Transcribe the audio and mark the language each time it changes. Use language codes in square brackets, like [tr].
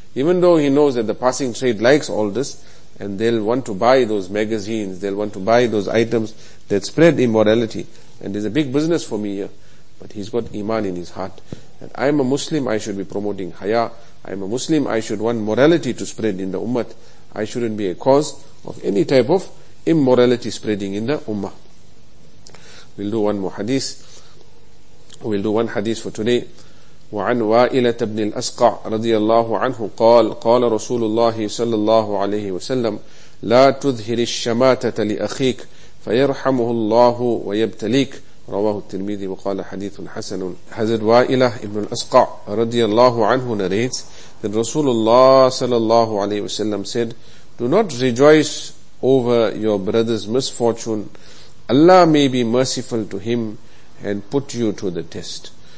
[en] Even though he knows that the passing trade likes all this, and they'll want to buy those magazines, they'll want to buy those items that spread immorality, and there's a big business for me here, but he's got iman in his heart, that I'm a Muslim, I should be promoting haya, I'm a Muslim, I should want morality to spread in the ummah, I shouldn't be a cause of any type of immorality spreading in the ummah. We'll do one more hadith, we'll do one hadith for today. [ar] وعن وائلة بن الأسقع رضي الله عنه قال قال رسول الله صلى الله عليه وسلم لا تظهر الشماتة لأخيك فيرحمه الله ويبتليك. رواه الترمذي وقال حديث حسن. [en] حضرت وائلة بن الأسقع رضي الله عنه narrates that [ar] رسول الله صلى الله عليه وسلم [en] said, do not rejoice over your brother's misfortune, Allah may be merciful to him and put you to the test.